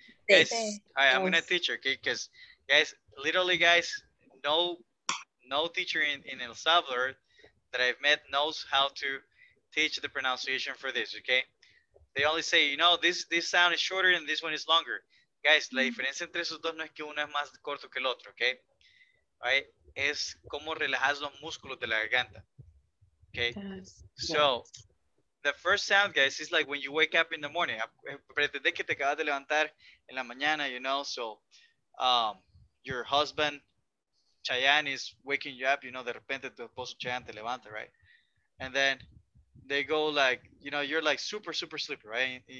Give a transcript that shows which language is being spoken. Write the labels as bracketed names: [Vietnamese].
[English] This. Hi, right, I'm going to teach you, okay? Because, guys, literally, guys, no teacher in El Salvador that I've met knows how to teach the pronunciation for this, okay? They only say, you know, this sound is shorter and this one is longer. [Spanish] Guys, la diferencia entre esos dos no es que uno es más corto que el otro, [English] okay? All right? [Spanish] Es como relajas los músculos de la garganta, okay? [English] Yes. So, the first sound, guys, is like when you wake up in the morning. [Spanish] Pretende que te acabas de levantar en la mañana, you know? [English] So, your husband, Chayanne, is waking you up, you know, [Spanish] de repente tu esposo Chayanne te levanta, right? [English] And then they go like, you know, you're like super, super sleepy, right?